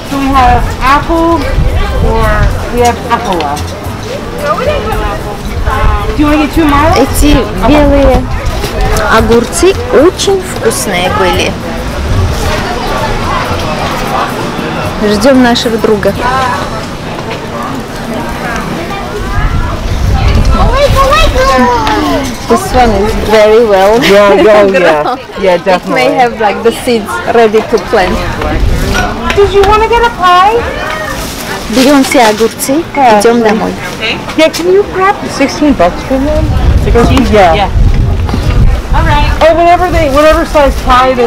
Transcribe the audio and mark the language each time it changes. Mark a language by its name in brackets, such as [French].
[English] So we have apple, or we have apple left. Do you want to get two more? [Russian] Эти белые огурцы очень вкусные были. Ждем нашего друга. [English] This one is very well. Yeah, yeah, yeah. Yeah, definitely. It may have like the seeds ready to plant. Did you want to get a pie? [Russian] Берем все огурцы, идем домой. [English] Yeah, can you grab $16 for them? $16? Yeah. All right. Oh, whatever they, whatever size pie they.